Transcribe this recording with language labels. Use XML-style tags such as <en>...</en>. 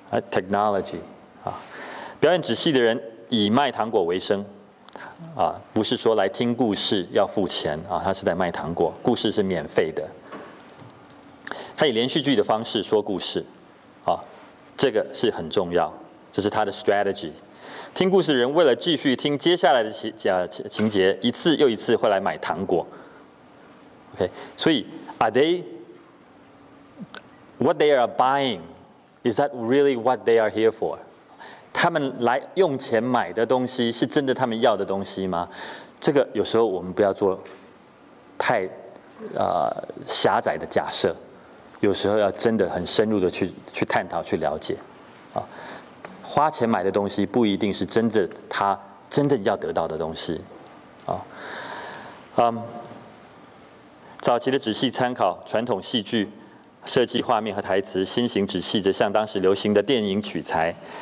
<zh>Technology 啊，表演仔细的人以卖糖果为生啊，不是说来听故事要付钱啊，他是在卖糖果，故事是免费的。他以连续剧的方式说故事，啊，这个是很重要，这是他的 strategy。听故事的人为了继续听接下来的情节，一次又一次会来买糖果。</zh> <en>OK，</en> <zh>所以</zh> <en>what they are buying is that really what they are here for？</en> <zh>他们来用钱买的东西是真的他们要的东西吗？这个有时候我们不要做太狭窄的假设。有时候要真的很深入的去探讨去了解，啊，花钱买的东西不一定是真的他真的要得到的东西，啊，早期的仔细参考传统戏剧设计画面和台词，新型仔细则向当时流行的电影取材。</zh>